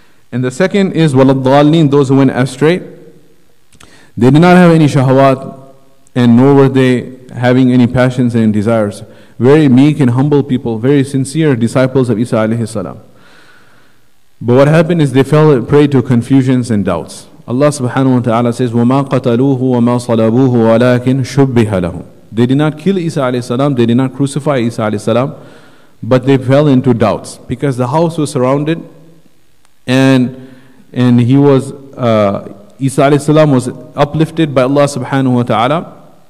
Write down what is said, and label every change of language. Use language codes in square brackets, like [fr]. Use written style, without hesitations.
[en] And the second is waladdalin, those who went astray. They did not have any shahawat, and nor were they having any passions and desires. Very meek and humble people, very sincere disciples of Isa alayhi salam. But what happened is they fell prey to confusions and doubts. Allah subhanahu wa ta'ala says, [ar] وَمَا قَتَلُوهُ وَمَا صَلَبُوهُ وَلَكِنْ شُبِّهَ لَهُمْ. [en] They did not kill Isa alayhi salam, they did not crucify Isa alayhi salam, but they fell into doubts because the house was surrounded, and he was Isa alayhi salam was uplifted by Allah subhanahu wa ta'ala.